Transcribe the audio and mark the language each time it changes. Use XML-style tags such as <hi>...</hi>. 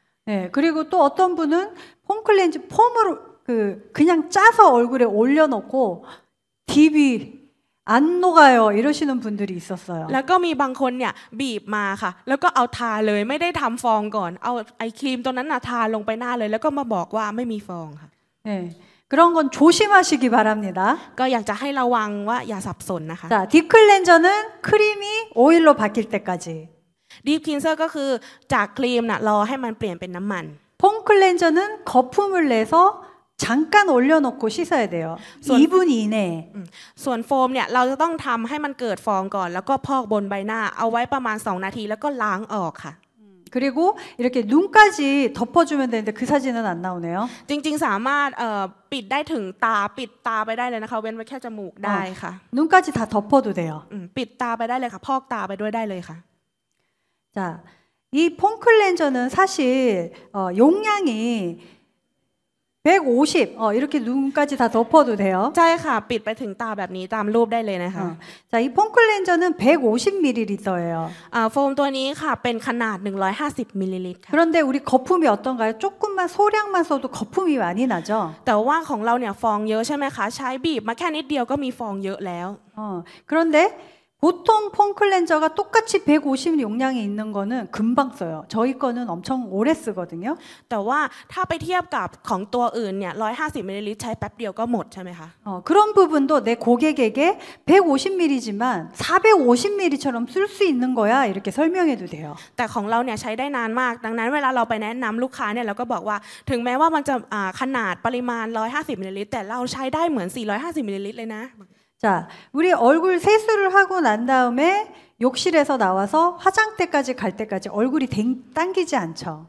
<ko>네그리고또어떤분은폼클렌징폼으로그냥짜서얼굴에올려놓고딥이안녹아요이러시는분들이있었어요</ko> <th>แล้วก็มีบางคนเนี่ยบีบมาค่ะแล้วก็เอาทาเลยไม่ได้ทําฟองก่อนเอาไอ้ครีมตัวนั้นน่ะทาลงไปหน้าเลยแล้วก็มาบอกว่าไม่มีฟองค่ะ</th> <ko>네그런건조심하시기바랍니다</ko> <th>ก็อยากจะให้ระวังว่าอย่าสับสนนะคะ</th> <ko>자딥클렌저는크림이오일로바뀔때까지</ko> <th>딥클렌저ก็คือจากครีมน่ะรอให้มันเปลี่ยนเป็นน้ํามัน</th> <ko>ฟองคลีนเซอร์는거품을내서잠깐올려놓고씻어야돼요2분이내</ko> <th>ส่วนโฟมเนี่ยเราจะต้องทําให้มันเกิดฟองก่อนแล้วก็พอกบนใบหน้าเอาไว้ประมาณ2นาทีแล้วก็ล้างออกค่ะ</th> <ko>그리고이렇게눈까지덮어주면되는데그사진은안나오네요</ko> <th>จริงๆสามารถปิดได้ถึงตาปิดตาไปได้เลยนะคะเว้นไว้แค่จมูกได้ค่ะ</th> <ko>눈까지다덮어도돼요</ko> <th>ปิดตาไปได้เลยค่ะพอกตาไปด้วยได้เลยค่ะ</th> <ko>자이폼클렌저는사실용량이150이렇게눈까지다덮어도돼요</ko> <th>자카ปิดไปถึงตาแบบนี้ตามรูปได้เลยนะคะ</th> <ko>자이폼클렌저는150ml예요</ko> <th>โฟมตัวนี้ค่ะเป็นขนาด150ml</th> <ko>คร런데우리거품이어떤가요조금만소량만써도거품이많이나죠</ko> <th>แต่ว่าของเราเนี่ยฟองเยอะใช่ไหมคะใช้บีบมาแค่นิดเดียวก็มีฟองเยอะแล้ว</th> <ko>그런데보통폼클렌저가똑같이150용량이있는거는금방써요저희거는엄청오래쓰거든요</ko> <th>แต่ว่าถ้าไปเทียบกับของตัวอื่นเนี่ย150ml ใช้แป๊บเดียวก็หมดใช่ไหมคะ</th> <ko>그런부분도내고객에게150ml 지만450ml 처럼쓸수있는거야이렇게설명해도돼요</ko> <th>แต่ของเราเนี่ยใช้ได้นานมากดังนั้นเวลาเราไปแนะนําลูกค้าเนี่ยเราก็บอกว่าถึงแม้ว่ามันจะขนาดปริมาณ150ml แต่เราใช้ได้เหมือน450ml เลยนะ</th> <ko>자우리얼굴세수를하고난다음에욕실에서나와서화장대까지갈때까지얼굴이당기지않죠</ko>